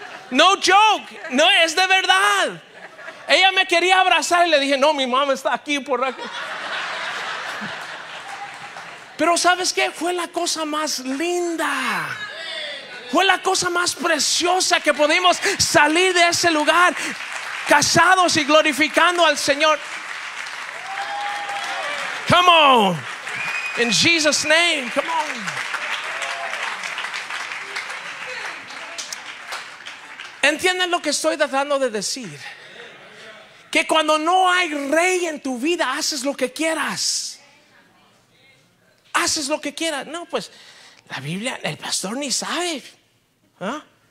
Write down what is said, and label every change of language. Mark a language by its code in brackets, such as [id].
[en] No joke, [es] no, es de verdad. Ella me quería abrazar y le dije, no, mi mamá está aquí por aquí. Pero ¿sabes qué? Fue la cosa más linda. Fue la cosa más preciosa que pudimos salir de ese lugar, casados y glorificando al Señor. [en] Come on, in Jesus' name, come on. [es] ¿Entienden lo que estoy tratando de decir? Que cuando no hay rey en tu vida, haces lo que quieras. Haces lo que quieras. No, pues la Biblia, el pastor ni sabe. ¿Eh?